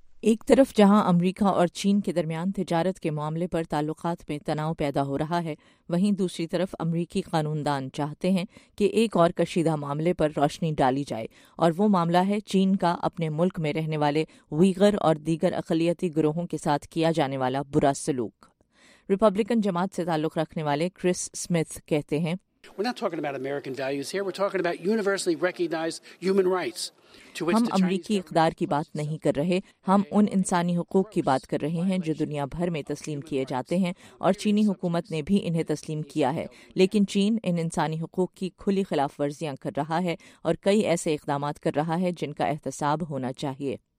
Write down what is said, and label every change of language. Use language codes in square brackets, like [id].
[ur] ایک طرف جہاں امریکہ اور چین کے درمیان تجارت کے معاملے پر تعلقات میں تناؤ پیدا ہو رہا ہے، وہیں دوسری طرف امریکی قانون دان چاہتے ہیں کہ ایک اور کشیدہ معاملے پر روشنی ڈالی جائے، اور وہ معاملہ ہے چین کا اپنے ملک میں رہنے والے ویغر اور دیگر اقلیتی گروہوں کے ساتھ کیا جانے والا برا سلوک. ریپبلکن جماعت سے تعلق رکھنے والے کرس سمتھ کہتے ہیں، [en] We're not talking about American values here. We're talking about universally recognized human rights. [ur] ہم امریکی اقدار کی بات نہیں کر رہے، ہم ان انسانی حقوق کی بات کر رہے ہیں جو دنیا بھر میں تسلیم کیے جاتے ہیں، اور چینی حکومت نے بھی انہیں تسلیم کیا ہے، لیکن چین ان انسانی حقوق کی کھلی خلاف ورزیاں کر رہا ہے اور کئی ایسے اقدامات کر رہا ہے جن کا احتساب ہونا چاہیے.